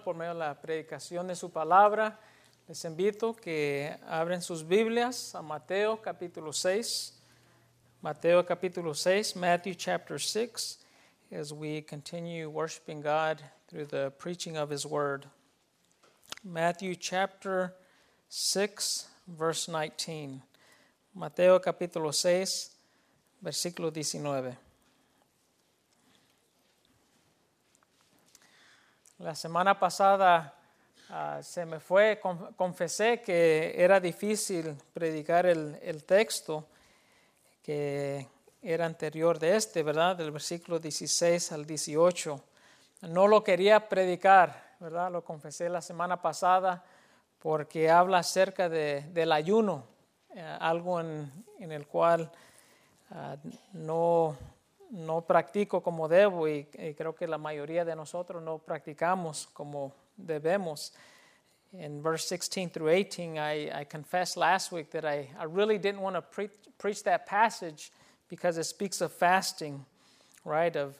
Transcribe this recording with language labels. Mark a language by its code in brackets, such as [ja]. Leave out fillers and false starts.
[es] por medio de la predicación de su palabra. Les invito que abren sus Biblias a Mateo capítulo 6. Mateo capítulo 6, [en] Matthew chapter 6, as we continue worshiping God through the preaching of His word. Matthew chapter 6, verse 19. [es] Mateo capítulo 6, versículo 19. La semana pasada se me fue, confesé que era difícil predicar el texto que era anterior de este, ¿verdad? Del versículo 16 al 18. No lo quería predicar, ¿verdad? Lo confesé la semana pasada porque habla acerca del ayuno, algo en el cual no practico como debo y creo que la mayoría de nosotros no practicamos como debemos. [en] In verse 16 through 18, I confessed last week that I really didn't want to preach that passage because it speaks of fasting, right?